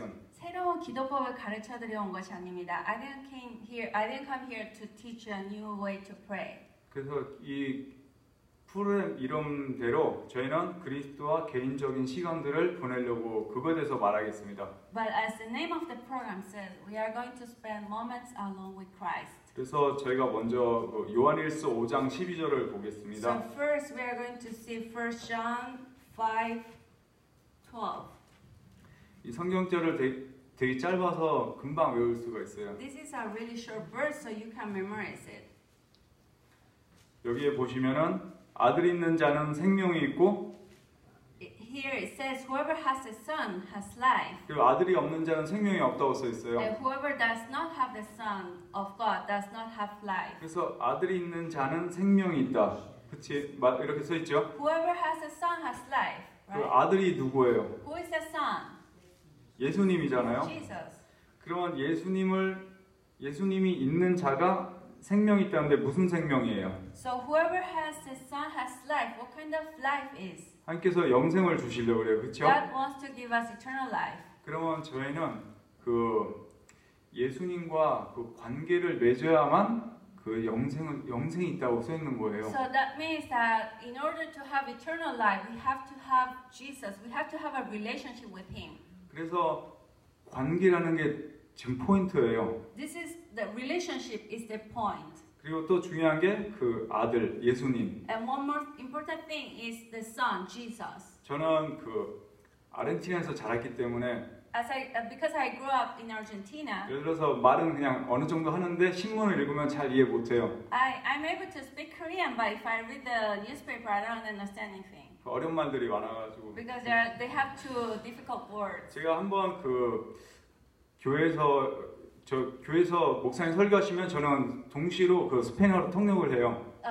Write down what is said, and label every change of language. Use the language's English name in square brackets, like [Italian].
[Korean] 새로운 기도법을 가르쳐 드려온 것이 아닙니다. [English] I didn't come here to teach you a new way to pray. [Korean] 그래서 이 프로그램 이름대로 저희는 그리스도와 개인적인 시간들을 보내려고 그거에 대해서 말하겠습니다. [English] But as the name of the program says, we are going to spend moments alone with Christ. [Korean] 그래서 저희가 먼저 요한일서 5장 12절을 보겠습니다. [English] So first we are going to see 1 John 5:12. [Korean] 이 성경절을 되게 짧아서 금방 외울 수가 있어요. [English] This is a really short verse so you can memorize it. [Korean] 여기에 보시면은 아들 있는 자는 생명이 있고 [English] Here it says whoever has a son has life. [Korean] 그 아들이 없는 자는 생명이 없다고 써 있어요. [English] And whoever does not have the son of God does not have life. [Korean] 그래서 아들이 있는 자는 생명이 있다. 그렇지? 맞 이렇게 써 있죠? [English] Whoever has a son has life. Right? [Korean] 그 아들이 누구예요? [English] Who is the son? [Korean] 예수님이잖아요. [English] Jesus. [Korean] 그러면 예수님이 있는 자가 생명이 있다는데 무슨 생명이에요? [English] So whoever has a son has life. What kind of life is? [Korean] 하나님께서 영생을 주시려고 그래요. 그렇죠? [English] God wants to give us eternal life. [Korean] 그러면 저희는 그 예수님과 그 관계를 맺어야만 그 영생이 있다고 써 있는 거예요. [English] So that means that in order to have eternal life, we have to have Jesus. We have to have a relationship with him. [Korean] 그래서 관계라는 게 지금 포인트예요. [English] This is the relationship is the point. [Korean] 그리고 또 중요한 게 그 아들 예수님. [English] And one more important thing is the son Jesus. [Korean] 저는 그 아르헨티나에서 자랐기 때문에 [English] because I grew up in Argentina. [Korean] 예를 들어서 말은 그냥 어느 정도 하는데 신문을 읽으면 잘 이해 못 해요. [English] I'm able to speak Korean but if I read the newspaper I don't understand anything. [Korean] 그 어려운 말들이 많아 가지고 [English] because they have two difficult words. [Korean] 제가 한번 그 교회에서 목사님 설교하시면 저는 동시로 그 스페인어로 통역을 해요.